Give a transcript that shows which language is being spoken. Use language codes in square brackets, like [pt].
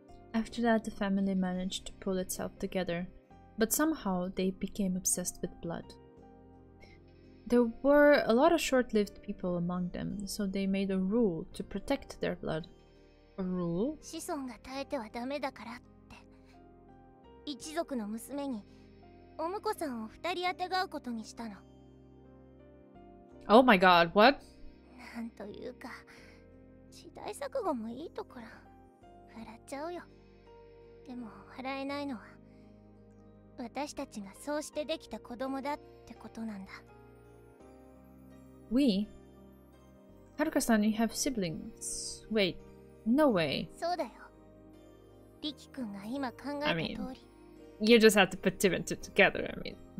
[en] After that, the family managed to pull itself together, but somehow they became obsessed with blood. There were a lot of short-lived people among them, so they made a rule to protect their blood. A rule? [ja] 子孫が耐えてはダメだからって。一族の娘にお婿さんを二人当てがうことにしたの。 [en] Oh my god, what? [ja] なんというか… 時代錯誤もいいところ笑っちゃうよ。でも笑えないのは私たちがそうしてできた子供だってことなんだ。 [en] We? Haruka-san, you have siblings. Wait, no way. [ja] そうだよ。リキ君が今考えた通り。 [en] You just have to put two and two together, I mean.